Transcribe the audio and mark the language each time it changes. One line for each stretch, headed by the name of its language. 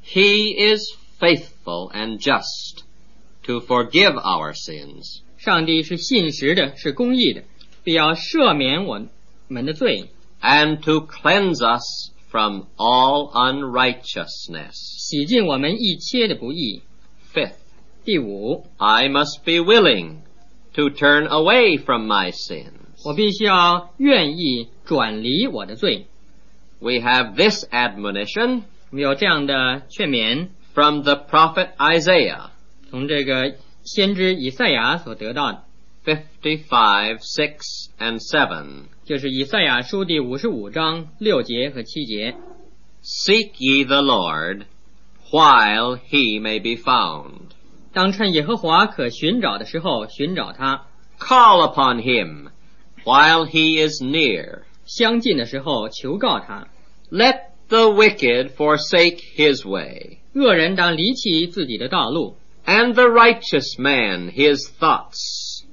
English: He is faithful and just to forgive our sins.
Chinese: 上帝是信实的，是公义的，必要赦免我们的罪，
English: And to cleanse us from all unrighteousness.
Chinese: 洗净我们一切的不义。
English: Fifth,
Chinese: 第五，
English: I must be willing to turn away from my sins.
Chinese: 我必须要愿意转离我的罪。
English: We have this admonition
Chinese: 我们有这样的劝勉
English: from the prophet Isaiah
Chinese: 从这个先知以赛亚所得到的
English: 55:6-7
Chinese: 就是以赛亚书第55:6-7
English: Seek ye the Lord while he may be found
Chinese: 当趁耶和华可寻找的时候寻找他
English: Call upon him while he is near
Chinese: 相近的时候求告他
English: Let the wicked forsake his way
Chinese: 恶人当离弃自己的道路
English: And the righteous man his thoughts